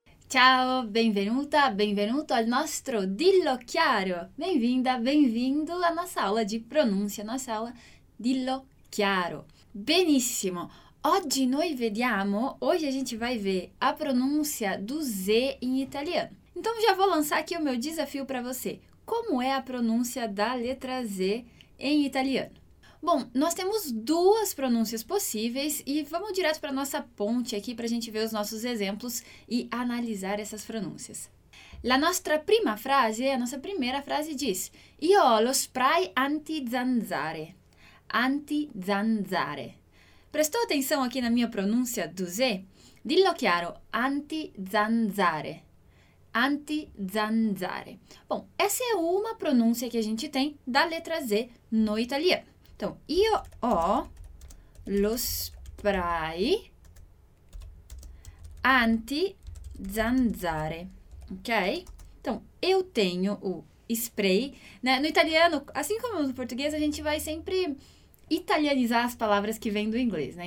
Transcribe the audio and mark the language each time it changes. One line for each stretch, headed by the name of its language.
Italian: Ciao, benvenuta, benvenuto al nostro Dillo Chiaro.
Portuguese: Bem-vinda, bem-vindo à nossa aula de pronúncia, nossa aula Dillo Chiaro.
Italian: Benissimo, oggi noi vediamo,
Portuguese: hoje a gente vai ver a pronúncia do Z em italiano. Então já vou lançar aqui o meu desafio para você. Como é a pronúncia da letra Z em italiano? Bom, nós temos duas pronúncias possíveis e vamos direto para a nossa ponte aqui para a gente ver os nossos exemplos e analisar essas pronúncias.
Italian: La nostra prima frase,
Portuguese: a nossa primeira frase diz:
Italian: Io ho lo spray anti-zanzare. Anti-zanzare.
Portuguese: Prestou atenção aqui na minha pronúncia do Z?
Italian: Dillo chiaro: anti-zanzare. Anti-zanzare.
Portuguese: Bom, essa é uma pronúncia que a gente tem da letra Z no italiano. Então,
Italian: io ho lo spray anti zanzare, ok?
Portuguese: Então, eu tenho o spray, né? No italiano, assim como no português, a gente vai sempre italianizar as palavras que vêm do inglês, né?